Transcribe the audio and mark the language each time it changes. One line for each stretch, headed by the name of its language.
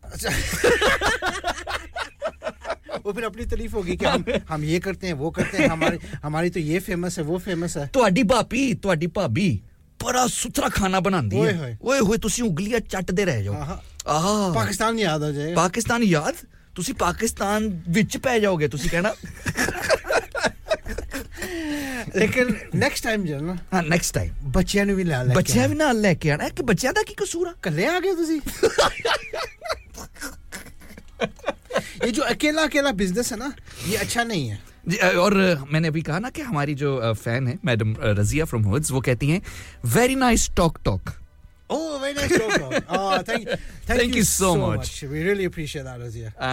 Hindi: वो फिर अपनी तारीफ होगी कि हम ये करते हैं वो करते हैं हमारी हमारी तो ये फेमस है वो फेमस है
Punjabi: ਤੁਹਾਡੀ ਭਾਪੀ ਤੁਹਾਡੀ ਭਾਬੀ ਬੜਾ ਸੁਥਰਾ ਖਾਣਾ ਬਣਾਉਂਦੀ ਹੈ ਓਏ ਹੋਏ ਤੁਸੀਂ ਉਂਗਲੀਆਂ ਚੱਟਦੇ ਰਹਿ ਜਾਓ ਆਹਾ ਪਾਕਿਸਤਾਨ ਯਾਦ ਆ ਜਾਏ ਪਾਕਿਸਤਾਨ ਯਾਦ ਤੁਸੀਂ ਪਾਕਿਸਤਾਨ ਵਿੱਚ ਪੈ ਜਾਓਗੇ ਤੁਸੀਂ ਕਹਿਣਾ ਲੇਕਿਨ ਨੈਕਸਟ ਟਾਈਮ ਜਾਣਾ ਹਾਂ ਨੈਕਸਟ ਟਾਈਮ ਬੱਚਿਆਂ ਨੂੰ ਵੀ ਲੈ ਲੈ ਬੱਚਿਆਂ ਵੀ ਨਾਲ ਲੈ ਕੇ ਆਣਾ ਕਿ ਬੱਚਿਆਂ ਦਾ ਕੀ ਕਸੂਰ ਆ ਇਕੱਲੇ ਆ ਗਏ ਤੁਸੀਂ
Hindi: ये जो अकेला अकेला बिजनेस है ना ये अच्छा नहीं है जी और मैंने अभी कहा ना कि हमारी जो फैन है मैडम रजिया फ्रॉम हुड्स वो कहती हैं
English: very nice talk talk oh very nice talk talk oh thank you so much we really appreciate that Razia